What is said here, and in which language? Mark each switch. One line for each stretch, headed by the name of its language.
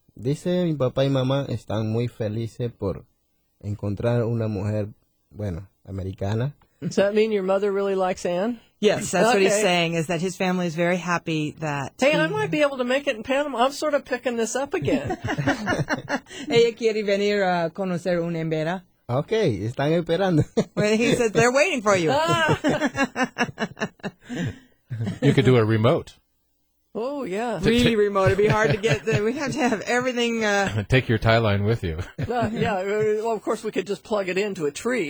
Spanish: Dice mi papá y mamá están muy felices por encontrar una mujer, bueno, americana.
English: Does that mean your mother really likes Anne? Yes, that's okay. What he's saying, is that his family is very happy that... Hey, I might be able to make it in Panama. I'm sort of picking this up again.
Spanish: Ella quiere venir a conocer una embera. Okay, están esperando.
English: Well, he said they're waiting for you. You could do a remote. Oh, yeah. Really remote. It'd be hard to get there. We have to have everything. Take your tie line with you. Yeah. Well, of course, we could just plug it into a tree.